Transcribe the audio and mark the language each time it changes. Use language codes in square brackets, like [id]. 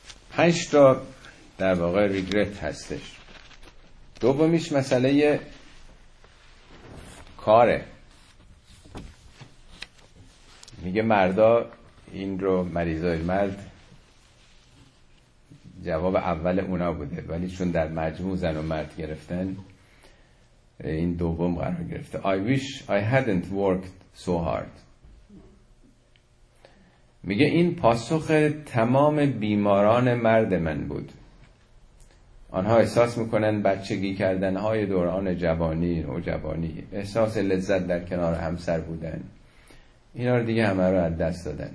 [fa] پنج تا در واقع ریگرت هستش. دومیش مسئله کاره، میگه مردا این رو، مریضای مرد جواب اول اونا بوده، ولی چون در مجموع زن و مرد گرفتن، این دوم قرار گرفته. [en] I wish I hadn't worked so hard. [fa] میگه این پاسخ تمام بیماران مرد من بود. آنها احساس میکنن بچگی کردن های دوران جوانی و جوانی، احساس لذت در کنار همسر بودن، اینا رو دیگه همه رو از دست دادن.